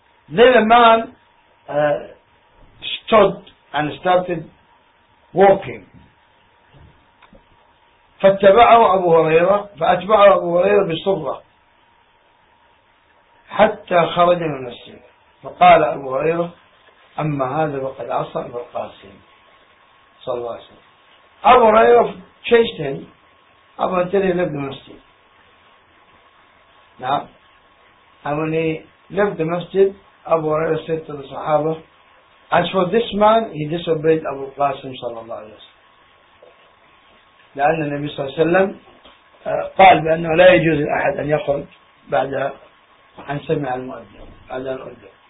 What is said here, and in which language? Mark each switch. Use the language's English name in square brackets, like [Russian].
[English] Then a man stood and started walking. [Arabic] فاتبعه أبو هريرة فأتبعه أبو هريرة بصرة حتى خرج من المسجد. فقال أبو هريرة أما هذا فقد عصى أبو القاسم صلى الله عليه وسلم. [English] أبو هريرة chased him up until he left the masjid. Now, and when he left the masjid, Abu Huraira said to the Sahaba, as for this man, he disobeyed Abu Qasim sallallahu alayhi wa sallam. [Arabic] لأن النبي صلى الله عليه وسلم قال بأنه لا يجوز لأحد أن يخرج بعد أن سمع المؤذن بعد أن أذن.